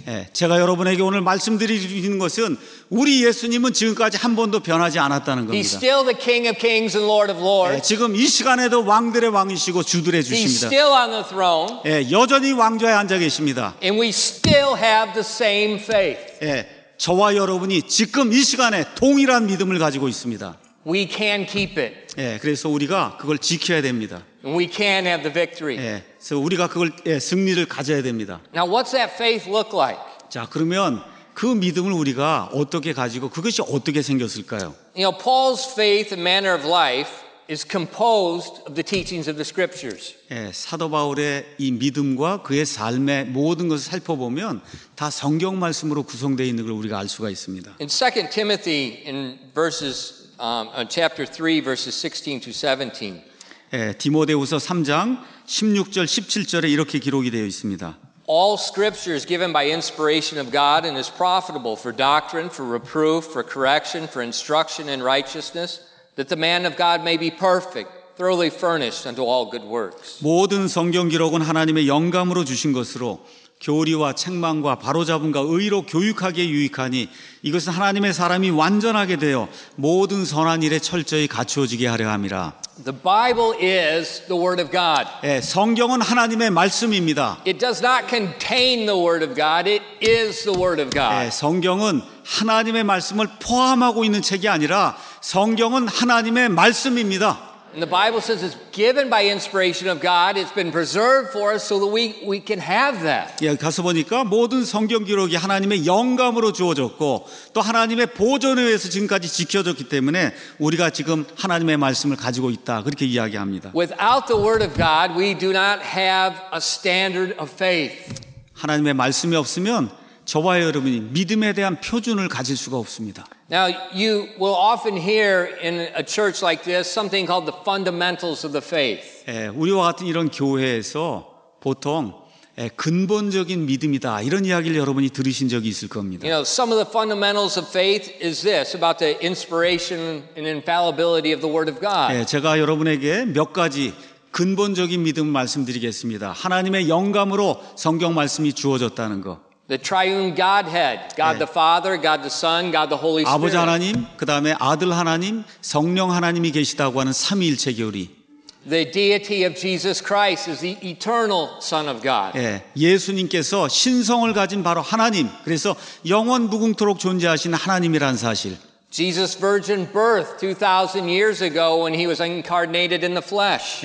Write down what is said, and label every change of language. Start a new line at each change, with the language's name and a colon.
Korean: 예, 제가 여러분에게 오늘 말씀드리는 것은 우리 예수님은 지금까지 한 번도 변하지 않았다는 겁니다.
English: He's still the King of Kings and Lord of Lords. 예,
Korean: 지금 이 시간에도 왕들의 왕이시고 주들의 주십니다.
English: He's still on the throne.
Korean: 예, 여전히 왕좌에 앉아 계십니다.
English: And we still have the same faith. 예.
Korean: 저와 여러분이 지금 이 시간에 동일한 믿음을 가지고 있습니다.
English: We can keep it.
Korean: 예, 그래서 우리가 그걸 지켜야 됩니다.
English: We can have the victory.
Korean: 예, 그래서 우리가 그걸 예, 승리를 가져야 됩니다.
English: Now what's that faith look like?
Korean: 자, 그러면 그 믿음을 우리가 어떻게 가지고 그것이 어떻게 생겼을까요?
English: You know, Paul's faith and manner of life is composed of the teachings of the scriptures.
Korean: 예, 사도 바울의 이 믿음과 그의 삶의 모든 것을 살펴보면 다 성경 말씀으로 구성되어 있는 걸 우리가 알 수가 있습니다.
English: In 2 Timothy in verses chapter 3 verses 16 to 17.
Korean: 예, 디모데후서 3장 16절 17절에 이렇게 기록이 되어 있습니다.
English: All scripture is given by inspiration of God and is profitable for doctrine, for reproof, for correction, for instruction in righteousness. That the man of God may be perfect, thoroughly furnished unto all good works.
Korean: 모든 성경 기록은 하나님의 영감으로 주신 것으로 교리와 책망과 바로잡음과 의로 교육하기에 유익하니 이것은 하나님의 사람이 완전하게 되어 모든 선한 일에 철저히 갖추어지게 하려 함이라.
English: The Bible is the word of God.
Korean: 예, 성경은 하나님의 말씀입니다.
English: It does not contain the word of God. It is the word of God.
Korean: 예, 성경은 하나님의 말씀을 포함하고 있는 책이 아니라 성경은 하나님의 말씀입니다.
English: And the Bible says it's given by inspiration of God. It's been preserved for us so that we can have that.
Korean: 예, 가서 보니까 모든 성경 기록이 하나님의 영감으로 주어졌고 또 하나님의 보존에 의해서 지금까지 지켜졌기 때문에 우리가 지금 하나님의 말씀을 가지고 있다. 그렇게 이야기합니다.
English: Without the word of God, we do not have a standard of faith.
Korean: 하나님의 말씀이 없으면 저와 여러분이 믿음에 대한 표준을 가질 수가 없습니다.
English: Now you will often hear in a church like this something called the fundamentals of the faith.
Korean: 예, 우리와 같은 이런 교회에서 보통 예, 근본적인 믿음이다 이런 이야기를 여러분이 들으신 적이 있을 겁니다.
English: You know, some of the fundamentals of faith is this about the inspiration and infallibility of the Word of God.
Korean: 예, 제가 여러분에게 몇 가지 근본적인 믿음을 말씀드리겠습니다. 하나님의 영감으로 성경 말씀이 주어졌다는 것.
English: The triune Godhead, God 예. the Father, God the Son, God the Holy Spirit.
Korean: 아버지 하나님, 그 다음에 아들 하나님, 성령 하나님이 계시다고 하는 삼위일체 교리.
English: The deity of Jesus Christ is the eternal Son of God. 예.
Korean: 예수님께서 신성을 가진 바로 하나님, 그래서 영원 무궁토록 존재하신 하나님이란 사실.
English: Jesus' virgin birth 2,000 years ago when he was incarnated in the flesh.